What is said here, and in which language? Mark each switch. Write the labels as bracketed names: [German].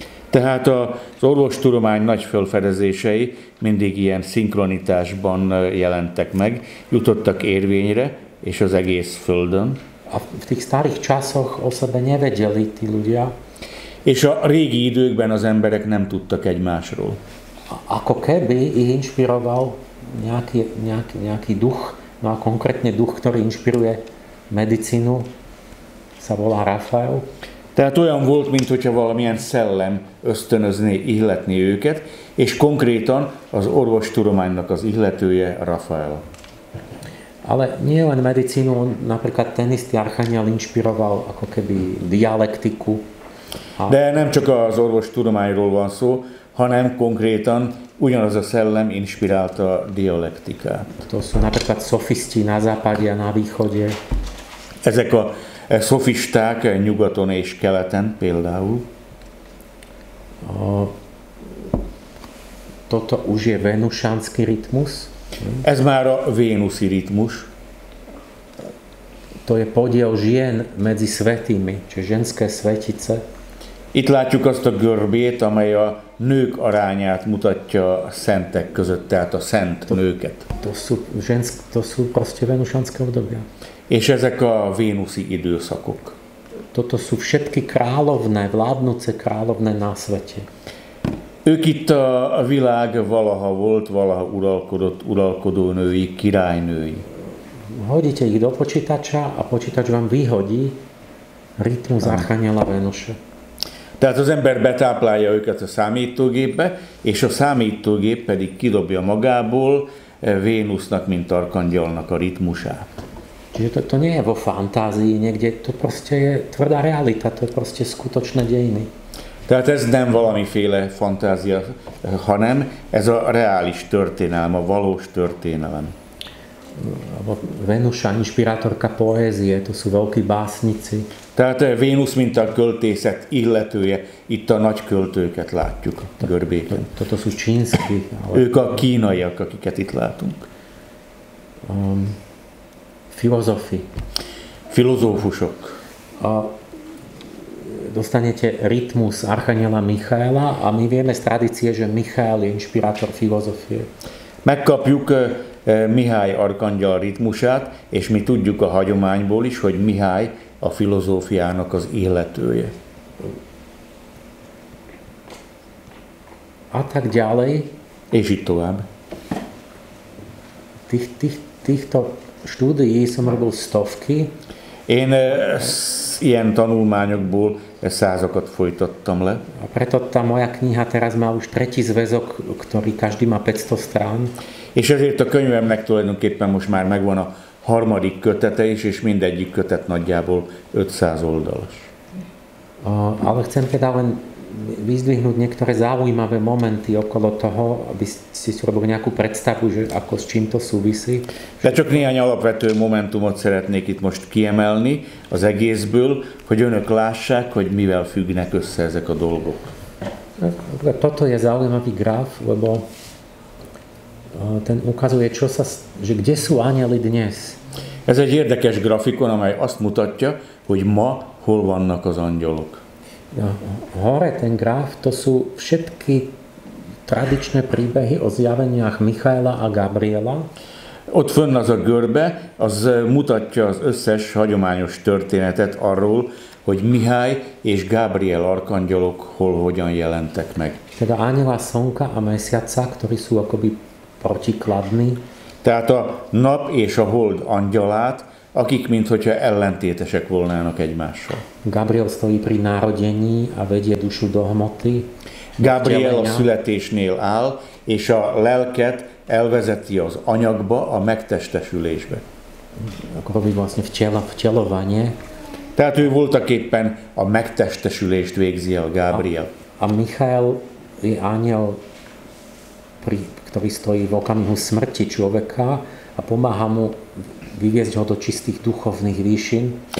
[Hungarian] Tehát az orvostudomány nagy felfedezései mindig ilyen szinkronitásban jelentek meg, jutottak érvényre és az egész földön. [Slovak] A v tých starých časoch o sebe nevedeli tí ľudia. [Hungarian] És a régi időkben az emberek nem tudtak egymásról. [Slovak] Ako keby ich inšpiroval nejaký duch, no a konkrétne duch, ktorý inšpiruje medicínu, sa volá Rafael. [Hungarian] Tehát olyan volt, mintha valamilyen szellem ösztönözné, ihletné őket, és konkrétan az orvostudománynak az ihletője Rafael. [Slovak] Ale nie len medicínu, napríklad ten istý archaniel inšpiroval ako keby dialektiku. [Hungarian] De nem csak az orvostudományról van szó, hanem konkrétan ugyanaz a szellem inspirálta a dialektikát. [Slovak] To sú napríklad szofiszti na západe a na východe. [Hungarian] Ezek a szofisták nyugaton és keleten például. [Slovak] Toto už je venusánsky rytmus. [Hungarian] Ez már a vénuszi rytmus. [Slovak] To je podiel žien medzi svetými, čiže ženské svetice. [Hungarian] Itt látjuk azt a görbét, amely a nők arányát mutatja a szentek között, tehát a szent nőket. [Slovak] To sú proste venusánske obdobia. [Hungarian] És ezek a vénuszi időszakok. [Slovak] Toto sú všetky královné, vládnúce královné na svete. [Hungarian] Ők itt a világ valaha volt, valaha uralkodott, uralkodónői, királynői. [Slovak] Hodíte ich do počítača a počítač vám vyhodí rytmus archaniela Venuše. [Hungarian] Tehát az ember betáplálja őket a számítógépbe, és a számítógép pedig kidobja magából Vénusznak, mint arkangyalnak a ritmusát. [Slovak] Čiže to nie je vo fantázii niekde, to proste je tvrdá realita, to je proste skutočné dejiny. [Hungarian] Tehát ez nem valamiféle fantázia, hanem ez a reális történelem, a valós történelem. [Slovak] Venuša, inšpirátorka poézie, to sú veľkí básnici. [Hungarian] Tehát Vénusz, mint a költészet illetője, itt a nagy költőket látjuk görbéken. [Slovak] Toto sú čínsky. [Hungarian] Ők a kínaiak, akiket itt látunk. [Slovak] Filozofi. [Hungarian] Filozófusok. [Slovak] Dostanete rytmus archaniela Michaela a my vieme z tradície, že Michael je inšpirátor filozofie. [Hungarian] Megkapjuk Mihály arkangyal rytmusát, és mi tudjuk a hagyományból is, hogy Mihály a filozófiának az illetője. [Slovak] A tak ďalej. [Hungarian] És itt tovább. [Slovak] Týchto štúdií som robil stovky. [Hungarian] Én ilyen tanulmányokból százakat folytattam le. [Slovak] A preto tá moja kniha teraz má už tretí zväzok, ktorý každý má 500 strán. [Hungarian] És ezért a könyvemnek tulajdonképpen most már megvan a harmadik kötete is, és mindegyik kötet nagyjából 500 oldalas. [Slovak] Ale chcem teda len vyzdvihnúť niektoré zaujímavé momenty okolo toho, aby ste si robili nejakú predstavu, že ako s čím to súvisí. [Hungarian] De csak néhány alapvető momentumot szeretnék itt most kiemelni az egészből, hogy önök lássák, hogy mivel függnek össze ezek a dolgok. [Slovak] Toto je zaujímavý graf, lebo ten ukazuje, čo sa, že kde sú anjeli dnes. [Hungarian] Ez egy érdekes grafikon, amely azt mutatja, hogy ma hol vannak az angyalok. [Slovak] Ja, hore ten graf, to sú všetky tradičné príbehy o zjaveniach Michaela a Gabriela. [Hungarian] Ott fönn az a görbe, az mutatja az összes hagyományos történetet arról, hogy Mihály és Gabriel arkangyalok hol hogyan jelentek meg. [Slovak] Teda anjela Slnka a Mesiaca, ktorí sú akoby protikladní. [Hungarian] Tehát a nap és a hold angyalát, akik minthogyha ellentétesek volnának egymással. [Slovak] Gabriel stojí pri narodení a vedie dušu do hmoty. [Hungarian] Gabriel a születésnél áll, és a lelket elvezeti az anyagba, a megtestesülésbe. Akkor mi van azt, vtelovanie? Tehát ő voltaképpen a megtestesülést végzi a Gábriel. [Slovak] A Michael je anjel, ktorý stojí v okamihu smrti človeka a pomáha mu vyviezť ho do čistých duchovných výšin.